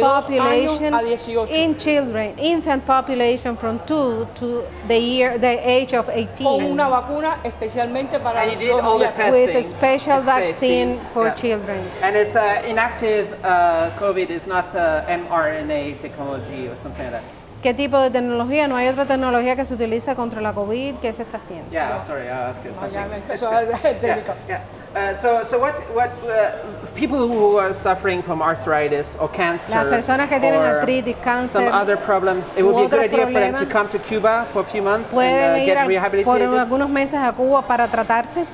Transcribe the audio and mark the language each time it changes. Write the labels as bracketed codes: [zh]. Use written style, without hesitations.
[en] population in children, infant population from 2 to the age of 18. [es] Con una vacuna especialmente para [en] and you did all the testing, with a special vaccine for children. And it's inactive COVID, it's not mRNA technology or something like that. [es] ¿Qué tipo de tecnología? ¿No hay otra tecnología que se utiliza contra la COVID? ¿Qué se está haciendo? [en] Yeah, sorry, I'll ask you something. So what people who are suffering from arthritis or cancer [es] las personas que tienen artritis, cáncer, [en] some other problems, it would be a good idea for them to come to Cuba for a few months and get rehabilitated. [es] Por algunos meses a Cuba para tratarse.